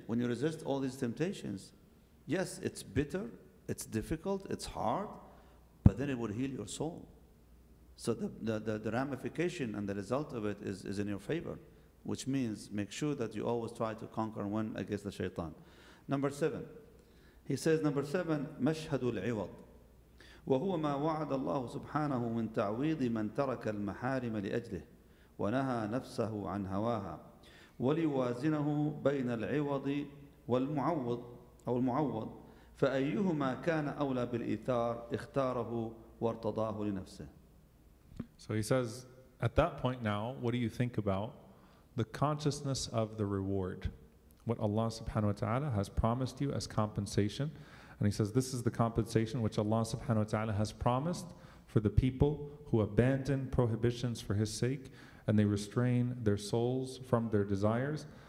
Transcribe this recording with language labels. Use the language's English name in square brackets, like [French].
[English] When you resist all these temptations, yes, it's bitter, it's difficult, it's hard, but then it will heal your soul. So the ramification and the result of it is in your favor, which means make sure that you always try to conquer and win against the shaitan. Number seven, he says, number seven, [Arabic] مَشْهَدُ الْعِوَضِ وَهُوَ مَا وَعَدَ اللَّهُ سُبْحَانَهُ مِنْ تَعْوِيضِ مَنْ تَرَكَ الْمَحَارِمَ لِأَجْلِهِ وَنَهَى نَفْسَهُ عَنْ هَوَاهَا وَلِيُوَازِنَهُ بَيْنَ الْعِوَضِ وَالْمُعَوَّضِ أو المعوض فأيهما كان أولى بالإيثار اختاره وارتضاه لنفسه. [English] So he says, at that point now, what do you think about? The consciousness of the reward, what Allah subhanahu wa ta'ala has promised you as compensation. And he says, this is the compensation which Allah subhanahu wa ta'ala has promised for the people who abandon prohibitions for his sake and they restrain their souls from their desires.